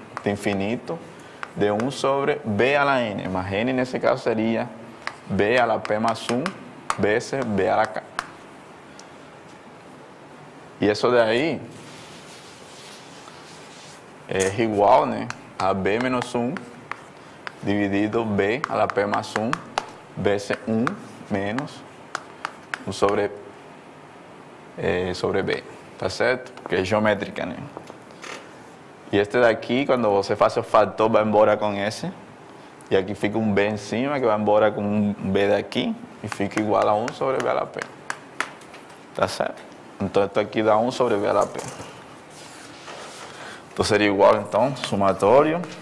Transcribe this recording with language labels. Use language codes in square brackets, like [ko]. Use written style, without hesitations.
[es] De infinito, de 1 sobre B a la N. [pt] Mas N, nesse caso, seria B a la P mais 1 vezes B a la K. E isso daí é igual, né, a B menos 1 [es] dividido B a la P más 1, BC 1 menos 1 sobre, sobre B, ¿está cierto? Que es geométrica, ¿no? Y este de aquí, cuando [pt] você faz o [es] factor, va embora con ese. Y aquí fica un B encima, que va embora con un B de aquí. Y fica igual a 1 sobre B a la P. ¿Está cierto? Entonces, esto aquí da 1 sobre B a la P. Esto sería igual, entonces, sumatorio.